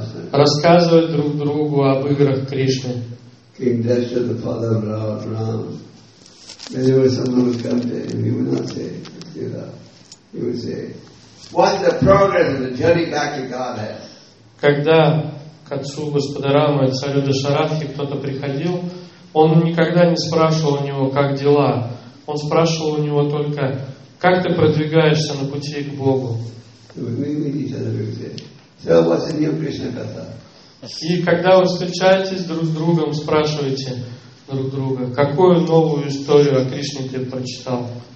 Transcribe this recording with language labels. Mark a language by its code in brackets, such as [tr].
[ru] Рассказывать друг другу об играх Кришны. [en] Whenever someone would come to him, he would not say, you know, he would say, what's the progress of the journey back to Godhead? [ru] Когда к отцу Господа Рамы, царю Дашарадхи, кто-то приходил, он никогда не спрашивал у него, как дела. Он спрашивал у него только, как ты продвигаешься на пути к Богу. И когда вы встречаетесь друг с другом, спрашиваете друг друга, какую новую историю о Кришне ты прочитал?